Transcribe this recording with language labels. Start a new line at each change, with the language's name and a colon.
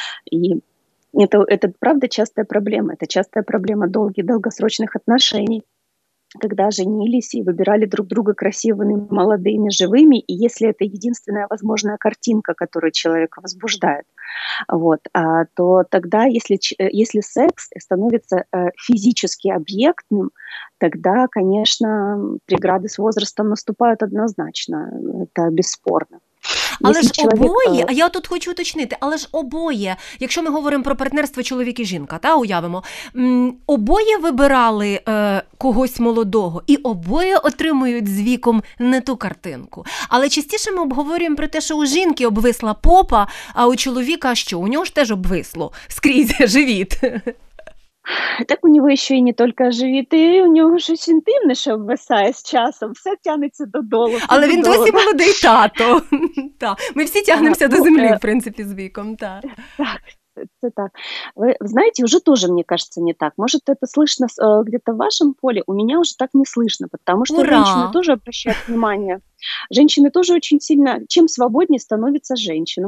Russian: И это правда частая проблема. Это частая проблема долгосрочных отношений, когда женились и выбирали друг друга красивыми, молодыми, живыми, и если это единственная возможная картинка, которую человека возбуждает, вот, то тогда, если секс становится физически объектным, тогда, конечно, преграды с возрастом наступают однозначно, это бесспорно.
Ukrainian: Але ж обоє, а я тут хочу уточнити, але ж обоє, якщо ми говоримо про партнерство чоловік і жінка, та уявимо, обоє вибирали когось молодого, і обоє отримують з віком не ту картинку. Але частіше ми обговорюємо про те, що у жінки обвисла попа, а у чоловіка що? У нього ж теж обвисло скрізь живіт. Так у нього ще й не тільки живіт, і у нього щось інтимне, що обвисає з часом. Все тягнеться додолу. Але він досі молодий тато. Та. Ми всі тягнемося до землі, в принципі, з віком. Та. Так, це так. Ви знаєте, вже теж, мені кажеться, не так. Може, це слышно где-то в вашому полі? У мене вже так не слышно, тому що жінки теж обращають увагу.
Russian: Женщины тоже очень сильно, чем свободнее становится женщина.